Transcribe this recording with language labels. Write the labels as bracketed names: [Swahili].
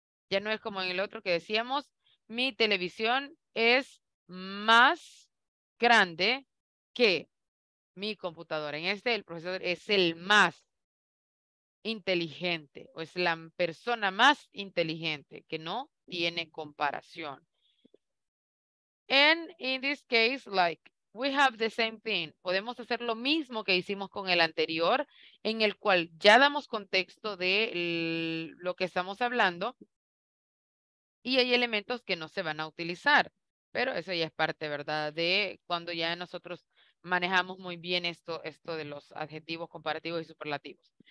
[Spanish] Ya no es como en el otro que decíamos, mi televisión es más grande que mi computadora. En este, el profesor es el más inteligente, o es la persona más inteligente, que no tiene comparación. [English] And in this case, like, we have the same thing. [Spanish] Podemos hacer lo mismo que hicimos con el anterior, en el cual ya damos contexto de lo que estamos hablando. Y hay elementos que no se van a utilizar, pero eso ya es parte, ¿verdad?, de cuando ya nosotros manejamos muy bien esto de los adjetivos comparativos y superlativos.